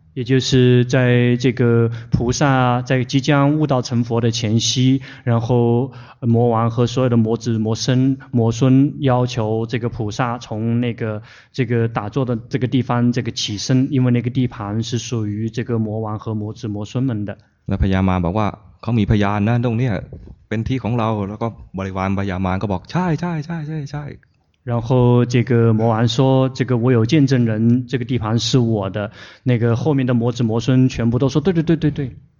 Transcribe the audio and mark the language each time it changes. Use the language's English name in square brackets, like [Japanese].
[Chinese] 也就是在这个菩萨在即将悟道成佛的前夕，然后魔王和所有的魔子魔僧魔孙要求这个菩萨从那个这个打坐的这个地方这个起身，因为那个地盘是属于这个魔王和魔子魔孙们的。 [Thai] 那พญามารบอกว่าเขามีพยานนะตรงเนี้ยเป็นที่ของเราแล้วก็บริวารพญามารก็บอกใช่ใช่ใช่ใช่ใช่ [Chinese] 然后这个魔王说这个我有见证人这个地盘是我的，那个后面的魔子魔孙全部都说对对对对对。